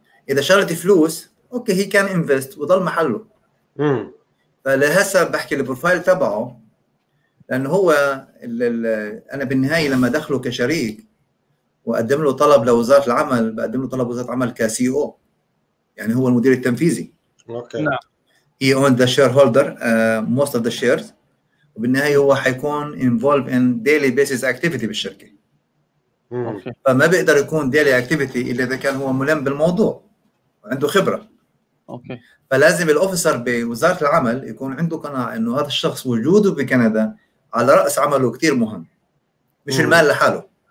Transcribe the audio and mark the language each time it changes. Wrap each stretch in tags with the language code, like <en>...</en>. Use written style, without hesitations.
<ar>إذا شغلت فلوس أوكي هي كان انفست وضل محله، فلهسه بحكي البروفايل تبعه، لأنه هو أنا بالنهاية لما دخله كشريك وأقدم له طلب لوزارة العمل، بقدم له طلب وزارة عمل كسي أو، يعني هو المدير التنفيذي. أوكي. نعم.</ar> <en>He owns the shareholder most of the shares.</en> <ar>وبالنهاية هو حيكون</ar> <en>involved in daily basis activity</en> <ar>بالشركة. فما بيقدر يكون</ar> <en>daily activity</en> <ar>إلا إذا كان هو ملم بالموضوع وعنده خبرة. أوكي. فلازم الأوفيسر بوزارة العمل يكون عنده قناعة إنه هذا الشخص وجوده بكندا على رأس عمله كتير مهم، مش المال لحاله.</ar>